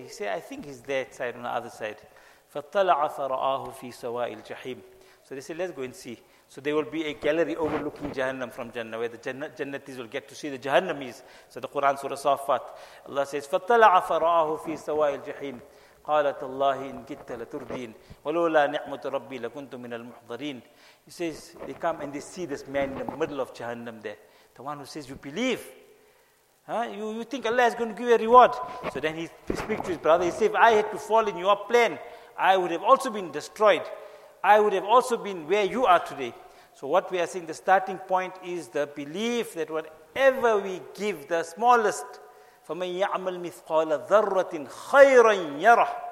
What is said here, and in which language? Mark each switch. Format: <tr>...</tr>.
<en>He said, I think he's that side on the other side.</en> <ar>فَطَّلَعَ فَرَآهُ فِي سَوَاءِ الْجَحِيمِ.</ar> <en>So they said, let's go and see. So there will be a gallery overlooking Jahannam from Jannah, where the Jannatis will get to see the Jahannamis. So the Quran Surah Safat, Allah says,</en> <ar>فَطَّلَعَ فَرَآهُ فِي سَوَاءِ الْجَحِيمِ. قالت الله إن كنت لتردين ولولا نعمة ربي لكنت من المحضرين.</ar> <en>He says, they come and they see this man in the middle of Jahannam there. The one who says, you believe. Huh? You think Allah is going to give you a reward. So then he speaks to his brother. He says, if I had to fall in your plan, I would have also been destroyed. I would have also been where you are today. So what we are saying, the starting point is the belief that whatever we give, the smallest,</en> <ar>فَمَنْ يَعْمَلْ مِثْقَالَ ذَرَّةٍ خَيْرًا يَرَهُ.</ar>